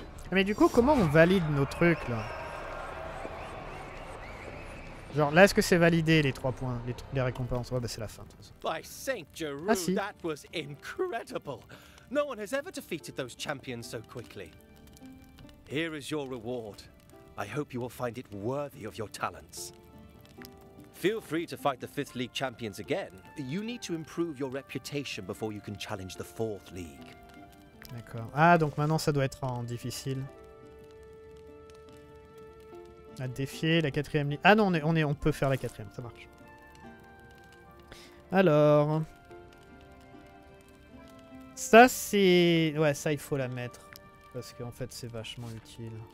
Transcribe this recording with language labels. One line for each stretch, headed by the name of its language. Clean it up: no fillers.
French: Mais du coup, comment on valide nos trucs, là? Genre, là, est-ce que c'est validé, les 3 points, les récompenses? Ouais, bah c'est la fin, de toute façon.
English: By Saint Geru,
French: ah, si.
English: That was incredible. No one has ever defeated those champions so quickly. Here is your reward. I hope you will find it worthy of your talents. Feel free to fight the 5th League champions again. You need to improve your reputation before you can challenge the 4th League.
French: D'accord. Ah, donc maintenant, ça doit être en difficile. À défier la quatrième ligne. Ah non, on peut faire la quatrième, ça marche. Alors. Ça, c'est. Ouais, ça, il faut la mettre. Parce qu'en fait, c'est vachement utile.